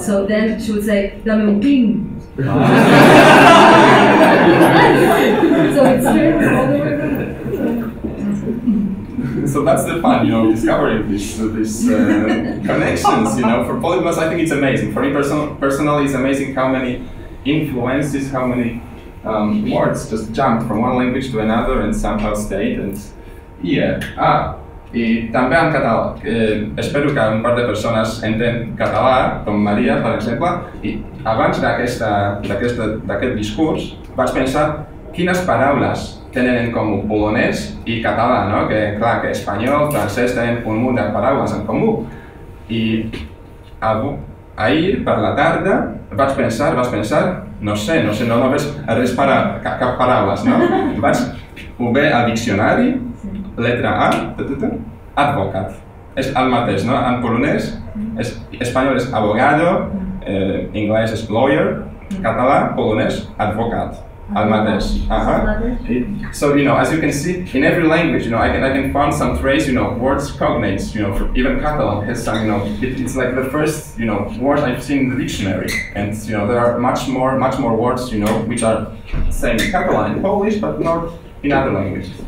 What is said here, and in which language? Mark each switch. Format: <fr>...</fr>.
<en>So then she would say "damen king." So it's very So that's the fun, you know, discovering these connections. You know, for polyglots, I think it's amazing. For me personally, it's amazing how many influences, how many words just jumped from one language to another and somehow stayed. And yeah,</en> <ca>I també en català. Espero que un part de persones entén català, com Maria, per exemple. I abans d'aquest discurs, vaig pensar quines paraules tenen en comú polonès i català, no? Que clar, que espanyol, francès, tenen un munt de paraules en comú. I ahir, per la tarda, vaig pensar, no sé, no veig res per a cap paraules, no? Vaig obrir el diccionari, letra A, advocat. És el mateix, no? En polonès, espanyol és abogado, anglès és lawyer, català, polonès, advocat. El mateix.</ca> <en>So, you know, as you can see, in every language, you know, I can find some trace, you know, words cognates, you know, even Catalan has some, you know, it's like the first, you know, word I've seen in the dictionary. And, you know, there are much more words, you know, which are same in Catalan and Polish, but not in other languages.</en>